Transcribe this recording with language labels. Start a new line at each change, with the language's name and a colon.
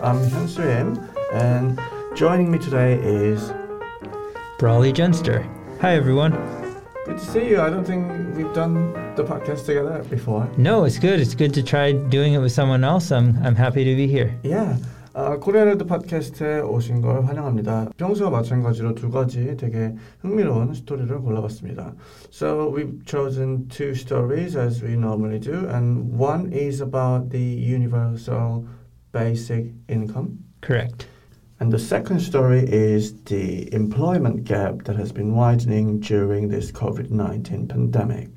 English: I'm Hyun Soo Im, and joining me today is Brawley Jenster. Hi, everyone. Good to see you. I don't think we've done the podcast together before. No, it's good. It's good to try doing it with someone else. I'm happy to be here. Yeah.
Korean: 코리아를 더 팟캐스트에 오신 걸 환영합니다. 평소와 마찬가지로 두 가지 되게 흥미로운 스토리를 골라봤습니다.
English: So we've chosen two stories as we normally do, and one is about the universal basic income. Correct. And the second story is the employment gap that has been widening during this COVID-19 pandemic.